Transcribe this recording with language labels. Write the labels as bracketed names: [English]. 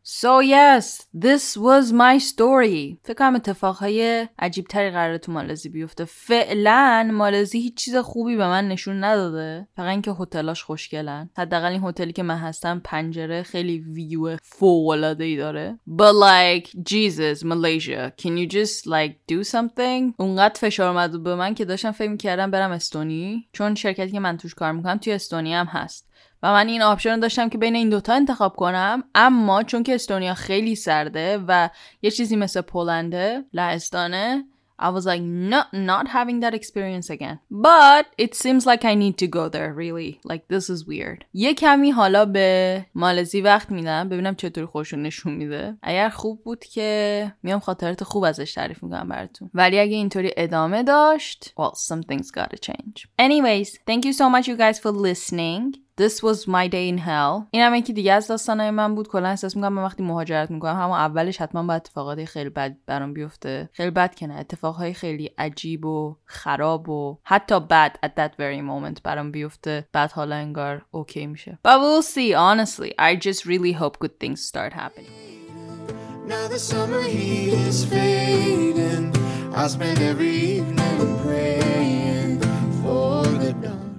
[English] So yes, this was my story. [Persian] فکر کنم اتفاقهای عجیب تری قراره تو مالزی بیفته. فعلا مالزی هیچ چیز خوبی به من نشون نداده، فقط اینکه هتلاش خوشگلن. حداقل این هتلی که من هستم پنجره خیلی ویو فوق العاده ای داره. [English] But like Jesus, Malaysia, can you just like do something. [Persian] اونقدر فشار اومد به من که داشتم فکر می‌کردم برم استونی، چون شرکتی که من توش کار می‌کنم توی استونی هم هست و من این آپشن رو داشتم که بین این دوتا انتخاب کنم، اما چون که استونیا خیلی سرده و یه چیزی مثل پولنده لهستانه، [English] I was like not having that experience again. But it seems like I need to go there really. Like this is weird. [Persian] یه کمی حالا به مالزی وقت میدم ببینم چطور خوشو نشون میده. اگر خوب بود که میام خاطرات خوب ازش تعریف میکنم براتون. ولی اگه اینطوری ادامه داشت، [English] well something's gotta change. Anyways, thank you so much you guys for listening. This was my day in hell. [Persian] این همه که دیگه از داستانای من بود. کلا احساس میکنم من وقتی مهاجرت میکنم همون اولش حتما با اتفاقات خیلی بد برام بیفته. خیلی بد که نه، اتفاقهای خیلی عجیب و خراب و حتی [English] bad at that very moment [Persian] برام بیفته. بعد حالا انگار اوکی میشه. [English] But we'll see. Honestly, I just really hope good things start happening. Now the summer heat is fading. I spend every evening praying for the dawn.